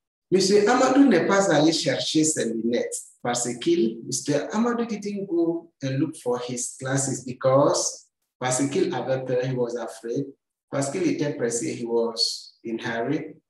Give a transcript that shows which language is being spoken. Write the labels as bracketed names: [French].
[French] Monsieur Amadou n'est pas allé chercher ses lunettes parce qu'il, Mr. [English] Amadou didn't go and look for his glasses because [French] parce qu'il avait peur, [English] he was afraid. [French] Parce qu'il était pressé, [English] he was in hurry.